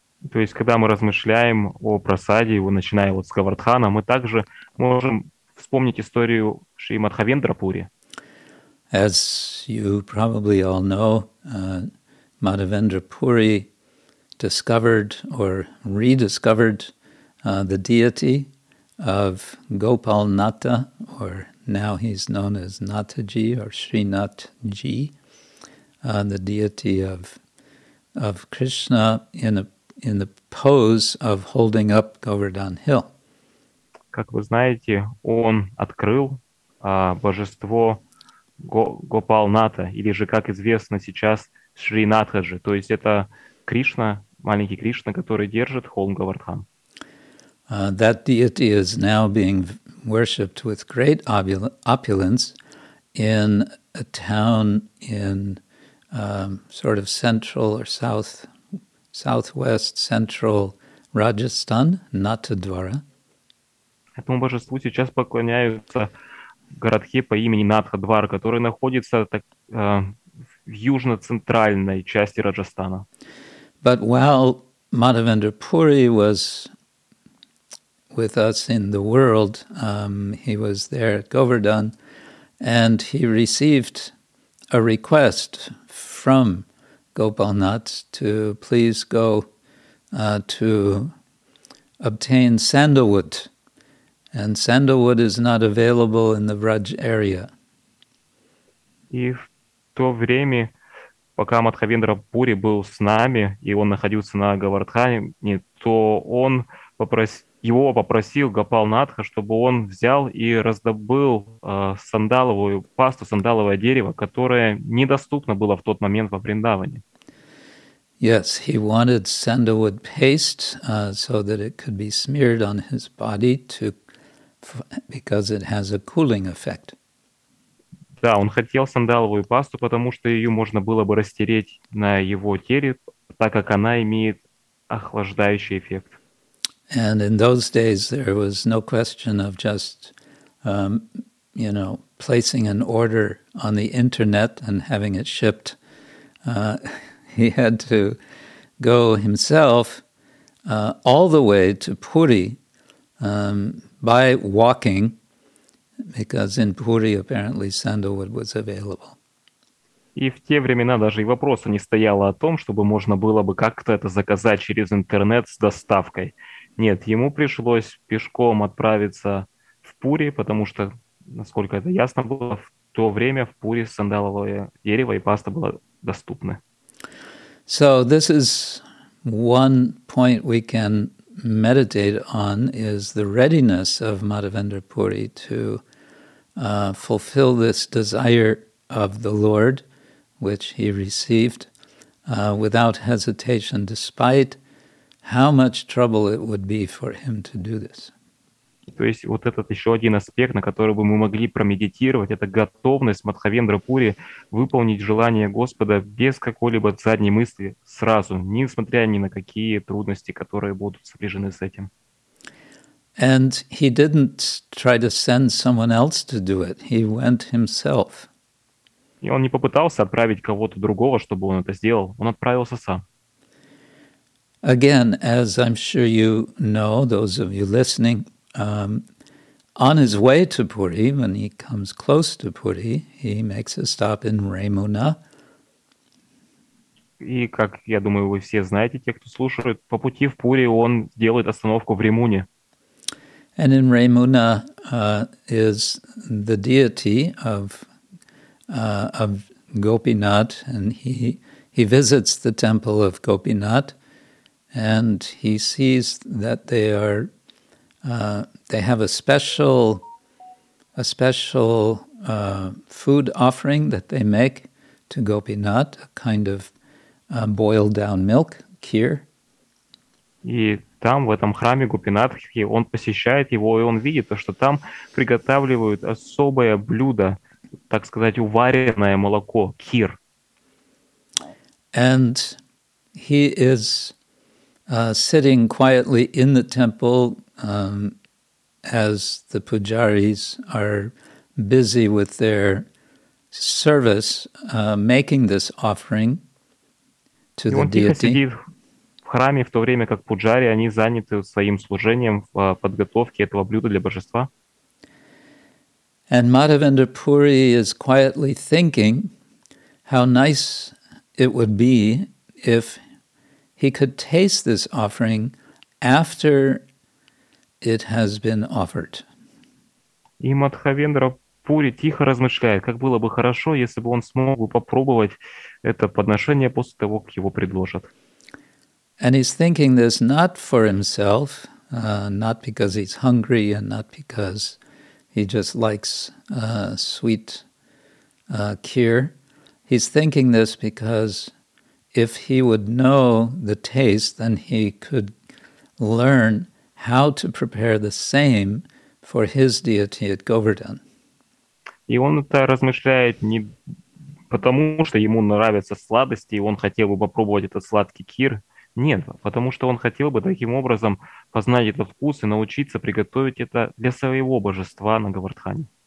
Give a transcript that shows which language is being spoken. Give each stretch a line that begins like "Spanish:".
Russian: То есть, когда мы размышляем о прасаде, его начиная вот с Говардхана, мы также можем вспомнить историю Шри Мадхавендра Пури.
English: As you probably all know, Madhavendra Puri discovered or rediscovered the deity of Gopal Natha, or now he's known as Nataji or Srinathji, the deity of Krishna in the pose of holding up Govardhan Hill.
Russian: Как вы знаете, он открыл божество Гопал Ната, или же, как известно сейчас, Шринатхаджи, то есть это Кришна, маленький Кришна, который держит холм Говардхан.
English: That deity is now being worshipped with great opulence in a town in sort of central or southwest central Rajasthan, Nathdwara.
Russian: Этому божеству сейчас поклоняются в городке по имени Натхадвар, который находится так, в южно-центральной части Раджастана.
English: But while Madhavendra Puri was with us in the world, he was there at Govardhan, and he received a request from Gopalnath to please go to obtain sandalwood. And sandalwood is not available in the Vraj area.
Russian: И в то время, пока Мадхавендра Пури был с нами, и он находился на Говардхане, то он его попросил Гопалнатха, чтобы он взял и раздобыл сандаловую пасту, сандаловое дерево, которое недоступно было в тот момент во Вриндаване.
English: Yes, he wanted sandalwood paste so that it could be smeared on his body to because it has a cooling effect.
Russian: Да, он хотел сандаловую пасту, потому что ее можно было бы растереть на его теле, так как она имеет охлаждающий эффект.
English: And in those days there was no question of just you know, placing an order on the internet and having it shipped. He had to go himself all the way to Puri by walking, because in Puri apparently sandalwood was available.
Russian: И в те времена даже и вопроса не стояло о том, чтобы можно было бы как-то это заказать через интернет с доставкой. Нет, ему пришлось пешком отправиться в Пури, потому что, насколько это ясно было, в то время в Пури сандаловое дерево и паста было доступны.
English: So this is one point we can meditate on, is the readiness of Madhavendra Puri to fulfill this desire of the Lord, which he received without hesitation, despite how much trouble it would be for him to do this.
Russian: То есть вот этот еще один аспект, на который бы мы могли промедитировать, это готовность Мадхавендра Пури выполнить желание Господа без какой-либо задней мысли сразу, несмотря ни на какие трудности, которые будут сопряжены с этим.
English: And he didn't try to send someone else to do it. He went himself.
Russian: И он не попытался отправить кого-то другого, чтобы он это сделал. Он отправился сам.
English: Again, as I'm sure you know, those of you listening, on his way to Puri, when he comes close to Puri, he makes a stop in Ramuna.
Russian: И как я думаю, вы все знаете, те, кто слушает, по пути в Пури он делает остановку в Ремуне.
English: And in Ramuna is the deity of Gopinath, and he visits the temple of Gopinath, and he sees that they are they have a special food offering that they make to Gopinath, a kind of boiled down milk, kheer.
Russian: И там, в этом храме Гопинатхи, он посещает его, и он видит, что там приготавливают особое блюдо, так сказать, уваренное молоко, кхир.
English: And he is sitting quietly in the temple, as the pujaris are busy with their service, making this offering to the deity.
Russian: И он тихо сидит в храме, в то время как пуджари, они заняты своим служением в подготовке этого блюда для божества.
English: And Madhavendra Puri is quietly thinking how nice it would be if he could taste this offering after it has been offered.
Russian: И Мадхавендра Пури тихо размышляет, как было бы хорошо, если бы он смог бы попробовать это подношение после того, как его предложат.
English: And he's thinking this not for himself, not because he's hungry and not because he just likes sweet kheer. He's thinking this because if he would know the taste, then he could learn how to prepare the same for his deity at Govardhan.
Russian: И он это размышляет не потому, что ему нравятся сладости, и он хотел бы попробовать этот сладкий кир. Нет, потому что он хотел бы таким образом познать этот вкус и научиться приготовить это для своего божества на Говардхане.